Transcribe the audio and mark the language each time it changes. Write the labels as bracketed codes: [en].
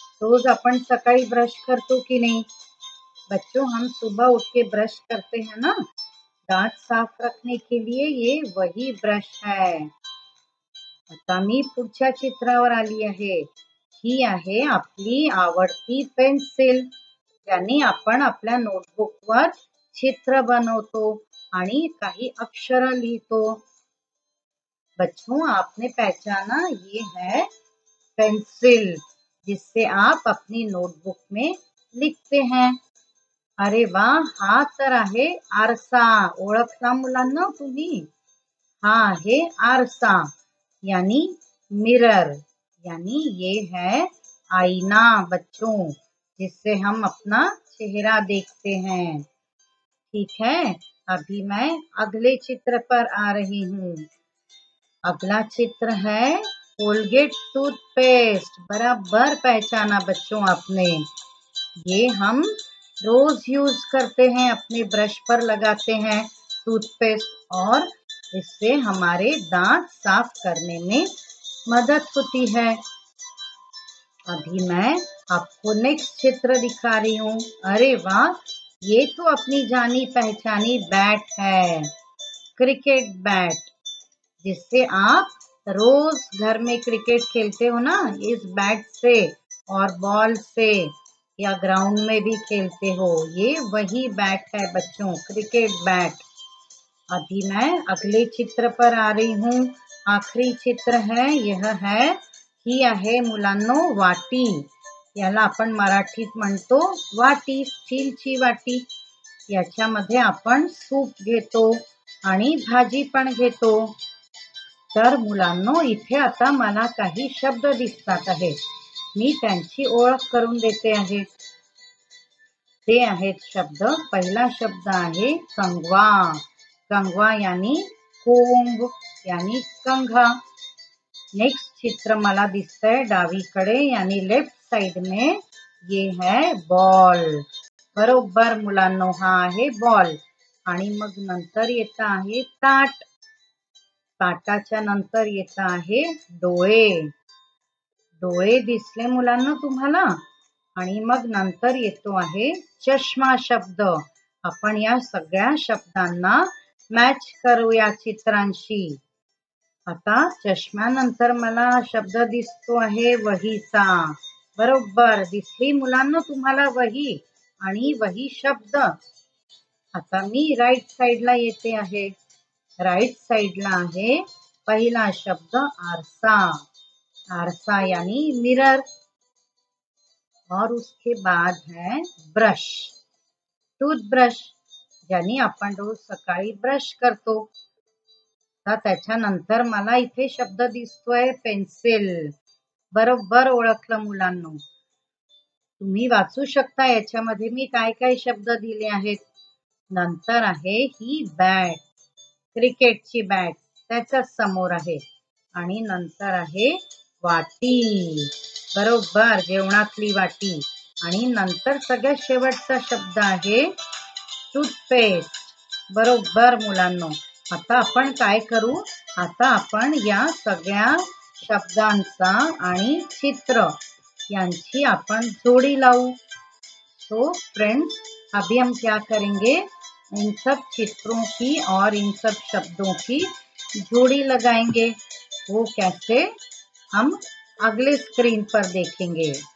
[mr] रोज आपण सकाळी ब्रश करतो की नाही? [hi] बच्चों, हम सुबह उठ के ब्रश करते हैं ना दांत साफ रखने के लिए, ये वही ब्रश है. [mr] आता मी पुढच्या चित्रावर आली आहे. ही आहे आपली आवडती पेन्सिल, यानी आपण आपल्या नोटबुकवर चित्र बनवतो आणि काही अक्षर लिहितो. [hi] बच्चों, आपने पहचाना, ये है पेन्सिल, जिससे आप अपनी नोटबुक में लिखते हैं. [mr] अरे वा, हा तर आहे आरसा. ओळखता मुलांना तुम्ही? हा आहे आरसा, यानी मिरर, यानी [hi] ये है आईना. बच्चों, जिससे हम अपना चेहरा देखते हैं, ठीक है? अभी मैं अगले चित्र पर आ रही हूँ. अगला चित्र है कोलगेट टूथपेस्ट. बराबर पहचाना बच्चों आपने, ये हम रोज यूज करते हैं, अपने ब्रश पर लगाते हैं टूथपेस्ट, और इससे हमारे दांत साफ करने में मदद होती है. अभी मैं आपको नेक्स्ट चित्र दिखा रही हूँ. अरे वाह, ये तो अपनी जानी पहचानी बैट है, क्रिकेट बैट, जिससे आप रोज घर में क्रिकेट खेलते हो ना इस बैट से और बॉल से, या ग्राउंड में भी खेलते हो, ये वही बैट है बच्चों, क्रिकेट बैट। अभी मैं अगले चित्र पर आ रही हूँ। [mr] आखिरी चित्र है, यह है ही आहे मुलांनो वाटी, याला आपण मराठीत म्हणतो वाटी, स्टीलची वाटी। याच्यामध्ये आपण सूप घेतो आणि भाजी पण घेतो। तर मुलांनो इथे आता मला काही शब्द दिसतात आहेत, मी त्यांची ओळख करून देते आहे। ते आहेत शब्द, पहिला शब्द आहे कंगवा। कंगवा यानी कोंब, यानी कंघा। नेक्स्ट चित्र मला दिसतंय डावीकडे, [hi] यानी लेफ्ट साइड में, ये है बॉल। [mr] बरोबर मुलांनो, हा आहे बॉल। आणि मग नंतर येतं आहे ताट। ताटाच्या नंतर येतं आहे डोळे। डोळे दिसले मुलांना तुम्हाला? आणि मग नंतर येतो आहे चष्मा शब्द। आपण या सगळ्या शब्दांना मॅच करूया चित्रांशी। आता चष्म्यानंतर मला शब्द दिसतो आहे वहीचा। बरोबर दिसली मुलांना तुम्हाला वही आणि वही शब्द? आता मी राईट साइडला येते आहे। राईट साइडला आहे पहिला शब्द आरसा। आरसा यानी मिरर। [hi] और उसके बाद है ब्रश, टूथब्रश, यानी [mr] आपण रोज सकाळी ब्रश करतो। त्याच्यानंतर मला इथे शब्द दिसतोय पेन्सिल। बरोबर ओळखलं मुलांनो, तुम्ही वाचू शकता याच्यामध्ये मी काय काय शब्द दिले आहेत। नंतर आहे ही बॅट, क्रिकेटची बॅट, त्याच्या समोर आहे। आणि नंतर आहे वाटी। बरोबर जेवणातली वाटी। आणि नंतर सगळ्यात शेवटचा शब्द आहे टूथपेस्ट। बरोबर मुलांनो, आता आपण काय करू, आता आपण या सगळ्या शब्दांचा आणि चित्र यांची आपण जोडी लावू। [hi] सो फ्रेंड्स, अभी हम क्या करेंगे, इन सब चित्रों की और इन सब शब्दों की जोड़ी लगाएंगे। वो कैसे, हम अगले स्क्रीन पर देखेंगे।